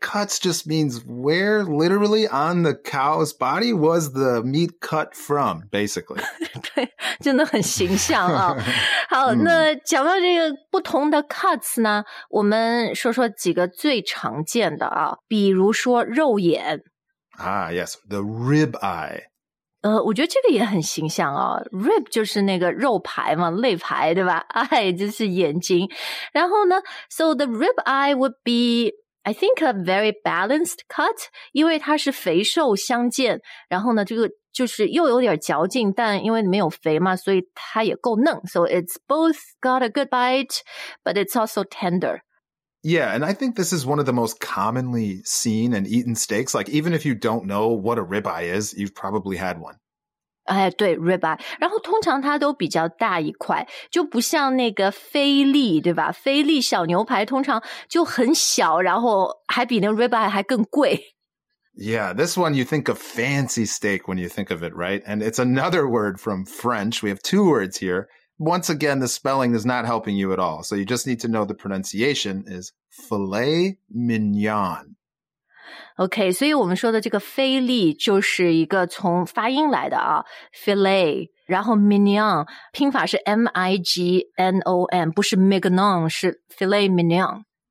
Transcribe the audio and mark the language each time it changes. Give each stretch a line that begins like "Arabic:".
English: Cuts just means where literally on the cow's body was the meat cut from, basically.
Chinese: 对，真的很形象啊。好，那讲到这个不同的 cuts 呢，我们说说几个最常见的啊，比如说肉眼。
English: Ah, yes, the rib eye.
Chinese: 我觉得这个也很形象哦 ,rib 就是那个肉排嘛肋排对吧 ,eye 就是眼睛。然后呢 ,
English: so the rib eye would be, I think a very balanced cut,
Chinese: 因为它是肥瘦相间然后呢这个就是又有点嚼劲但因为没有肥嘛所以它也够嫩 ,
English: so it's both got a good bite, but it's also tender. Yeah, and I think this is one of the most commonly seen and eaten steaks. Like, even if you don't know what a ribeye is, you've probably had one.
Chinese: 哎，对 ,ribeye. 然后通常它都比较大一块就不像那个菲力对吧菲力小牛排通常就很小然后还比那 ribeye 还更贵。
English: Yeah, this one you think of fancy steak when you think of it, right? And it's another word from French. We have two words here. Once again, the spelling is not helping you at all. So you just need to know the pronunciation is filet mignon.
Chinese: Okay, 所以我们说的这个菲力就是一个从发音来的啊 ,filet, 然后 mignon, 拼法是 M-I-G-N-O-N, 不是 mignon, 是 filet mignon.